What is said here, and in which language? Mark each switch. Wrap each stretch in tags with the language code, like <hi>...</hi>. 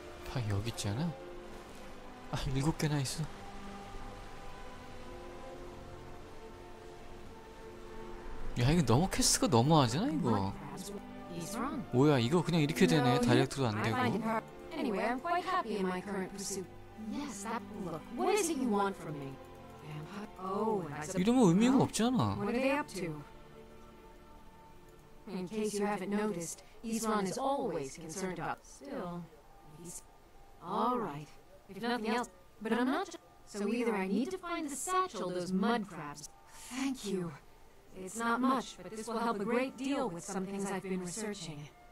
<ko>다 여기 있잖아. 아, 7개나 있어. 야 이거 너무 퀘스트가 너무하잖아 이거. 뭐야 이거 그냥 이렇게 되네. 다이렉트도 안 되고.</ko> <en>Anyway, I'm quite happy in my current pursuit. Yes, that look. What is it you want from me?</en> <ko>Oh, 이러면 의미가 없잖아.</ko> <en>What are they up to? In case you haven't noticed, Ezron is always concerned about. Still, he's all right. If nothing else, but I'm not. So either I need to find the satchel those mud crabs. Thank you. It's not much, but this will help a great deal with some things I've been researching.</en>